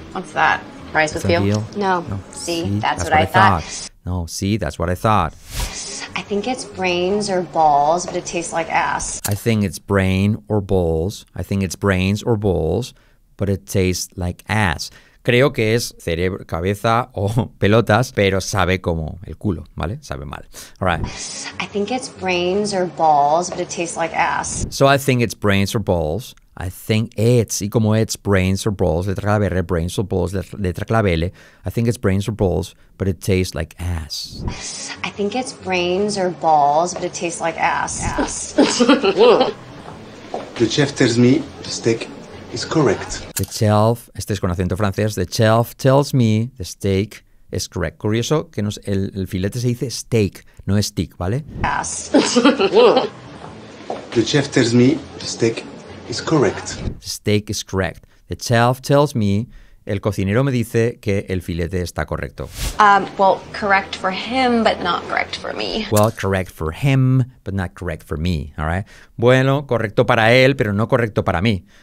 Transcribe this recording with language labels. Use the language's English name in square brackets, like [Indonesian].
[English] What's that? Rice with veal? No, sí, that's what I thought. No, sí, that's what I thought. I think it's brains or balls, but it tastes like ass. I think it's brain or balls. I think it's brains or balls, but it tastes like ass. [Spanish] Creo que es cerebro, cabeza o pelotas, pero sabe como el culo, ¿vale? Sabe mal. [English] All right. I think it's brains or balls, but it tastes like ass. So I think it's brains or balls. I think it's, [Spanish] y como [English] it's brains or balls, [Spanish] letra clave R, [English] brains or balls, [Spanish] letra clave L, [English] I think it's brains or balls, but it tastes like ass. I think it's brains or balls, but it tastes like ass. The chef tells me the steak is correct. The chef, [Spanish] este es con acento francés, [English] the chef tells me the steak is correct. [Spanish] Curioso que nos, el filete se dice steak, no steak, ¿vale? [English] Ass. The chef tells me the steak is correct. The steak is correct. The chef tells me, [Spanish] el cocinero me dice que el filete está correcto. [English] Well, correct for him, but not correct for me. Well, correct for him, but not correct for me, all right? [Spanish] Bueno, correcto para él, pero no correcto para mí.